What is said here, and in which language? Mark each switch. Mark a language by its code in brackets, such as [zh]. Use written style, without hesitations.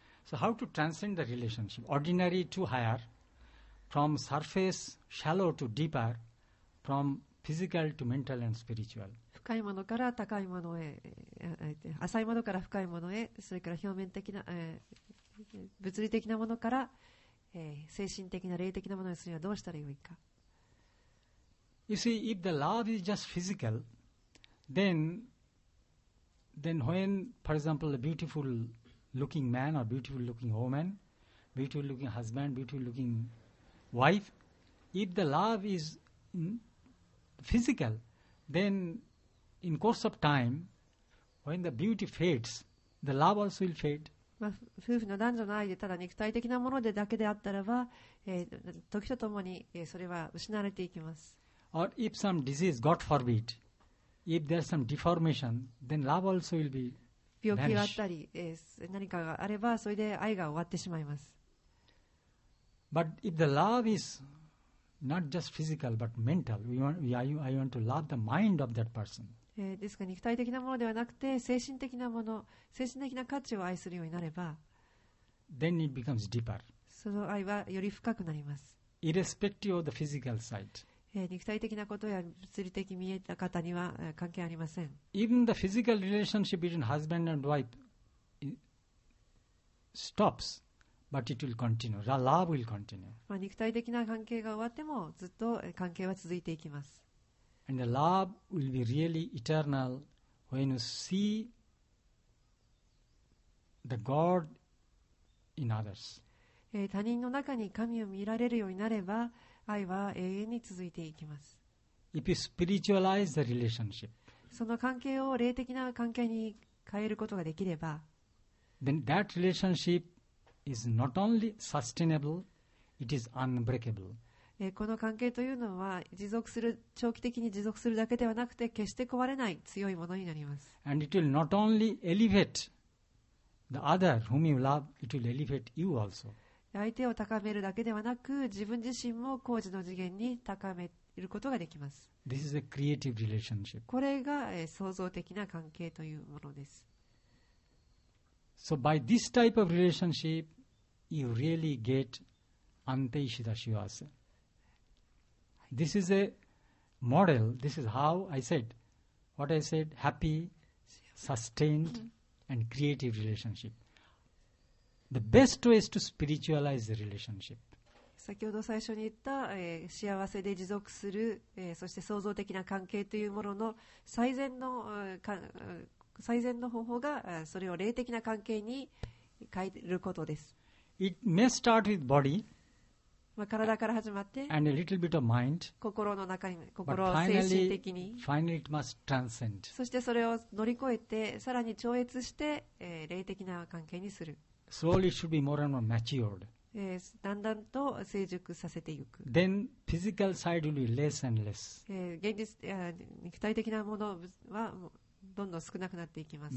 [en] So, how to transcend the relationship? Ordinary to higher, from surface shallow to deeper, from physical to mental and spiritual. [ja] 深いものから高いものへ、浅いものから深いものへ、それから表面的な、物理的なものから、精神的な霊的なものにするにはどうしたらよいか。 [en] You see, if the love is just physical, then when, for example, a beautiful looking man or beautiful looking woman, beautiful looking husband, beautiful looking wife, if the love is physical, thenIn course of time, when the beauty fades, the love also will fade. [ja] まあ、夫婦の男女の愛でただ肉体的なものでだけであったらば、時とともに、それは失われていきます。 [en] Or if some disease, God forbid, if there's some deformation, then love also will be vanished. [ja] 病気があったり、何かがあれば、それで愛が終わってしまいます。 [en] But if the love is not just physical but mental, I want to love the mind of that person. [ja] ですから肉体的なものではなくて精神的なもの、精神的な価値を愛するようになれば、 [en] then it becomes deeper. [ja] その愛はより深くなります。 [en] Irrespective of the physical side. [ja] 肉体的なことや物理的見えた方には関係ありません。 [en] Even the physical relationship between husband and wife stops, but it will continue. The love will continue. [ja] まあ肉体的な関係が終わってもずっと関係は続いていきます。 [en] And the love will be really eternal when you see the God in others. [ja] 他人の中に神を見られるようになれば、愛は永遠に続いていきます。 [en] If you spiritualize the relationship, [ja] その関係を霊的な関係に変えることができれば、 [en] then that relationship is not only sustainable, it is unbreakable. [ja] この関係というのは持続する長期的に持続するだけではなくて決して壊れない強いものになります。 [en] And it will not only elevate the other whom you love, it will elevate you also. [ja] 相手を高めるだけではなく自分自身も高次の次元に高めることができます。 [en] This is a creative relationship. [ja] これが創造的な関係というものです。 [en] So by this type of relationship you really get anteishida shivasaThis is a model. This is how I said, what I said, happy, sustained, and creative relationship. The best way is to spiritualize the relationship. [ja] 先ほど最初に言った、幸せで持続する、そして創造的な関係というものの最善の、最善の方法が、それを霊的な関係に変えることです。 [en] It may start with body. [ja] 体から始まって、 [en] and a little bit of mind, [ja] 心の中に、心を精神的に、 [en] finally it must transcend. [ja] そしてそれを乗り越えて、さらに超越して、霊的な関係にする。 [en] Slowly it should be more and more matured. [ja] だんだんと成熟させていく。 [en] Then physical side will be less and less. [ja] 現実、肉体的なものはどんどん少なくなっていきます。